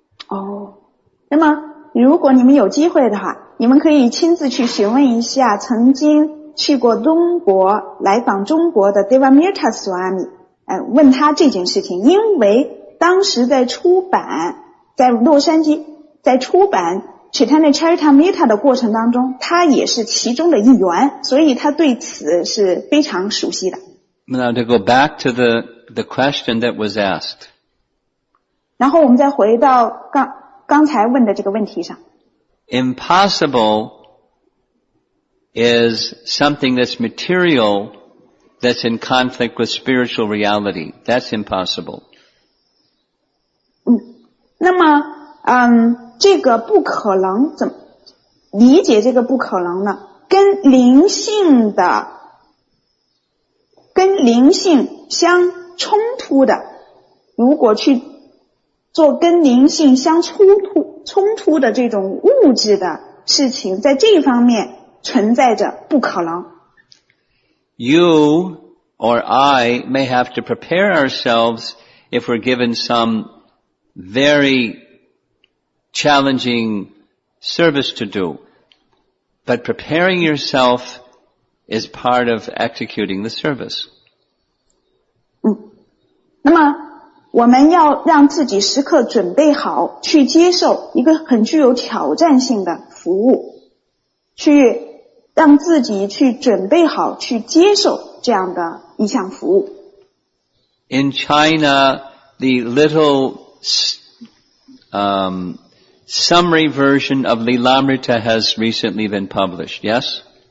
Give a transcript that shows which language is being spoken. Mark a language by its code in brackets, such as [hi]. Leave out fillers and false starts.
[zh] Oh, 那么如果你们有机会的话，你们可以亲自去询问一下曾经去过中国来访中国的 Devamrita Swami, 问他这件事情，因为当时在出版，在洛杉矶，在出版Chaitanya Charitamrita 的过程当中，他也是其中的一员，所以他对此是非常熟悉的。 [en] Now to go back to the question that was asked. [zh] 然后我们再回到刚才问的这个问题上。 [en] Impossible is something that's material that's in conflict with spiritual reality. That's impossible. [zh] 嗯，那么这个不可能怎么理解这个不可能呢？跟灵性的，跟灵性相冲突的，如果去做跟灵性相冲突的这种物质的事情，在这方面存在着不可能。 [en] You or I may have to prepare ourselves if we're given some very challenging service to do. But preparing yourself is part of executing the service. [zh] 嗯，那么我们要让自己时刻准备好去接受一个很具有挑战性的服务，去让自己去准备好去接受这样的一项服务。 [en] In China, the little, summary version of Lilamrita has recently been published, yes?